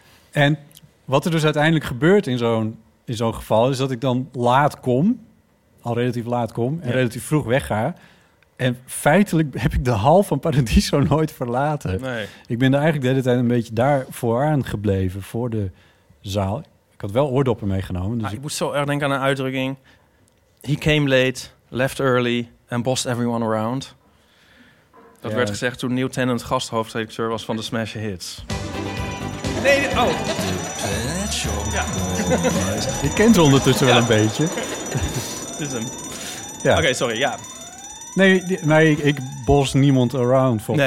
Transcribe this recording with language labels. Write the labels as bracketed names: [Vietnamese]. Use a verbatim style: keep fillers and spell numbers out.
[Dutch] En wat er dus uiteindelijk gebeurt in zo'n, in zo'n geval... is dat ik dan laat kom, al relatief laat kom... en Ja. relatief vroeg wegga. En feitelijk heb ik de hal van Paradiso nooit verlaten. Nee. Ik ben er eigenlijk de hele tijd een beetje daar vooraan gebleven... voor de zaal. Ik had wel oordoppen meegenomen. Dus Ah, ik, ik moest zo erg denken aan een uitdrukking. [English] He came late, left early and bossed everyone around. [Dutch] Dat Ja. werd gezegd toen Neil Tennant gasthoofdredacteur was van de Smash Hits. Nee, dit- oh. ik ken ze ondertussen wel Ja. een beetje. Dit is hem. Ja. Oké, sorry, ja. Nee, die- maar ik, ik bos niemand around volgens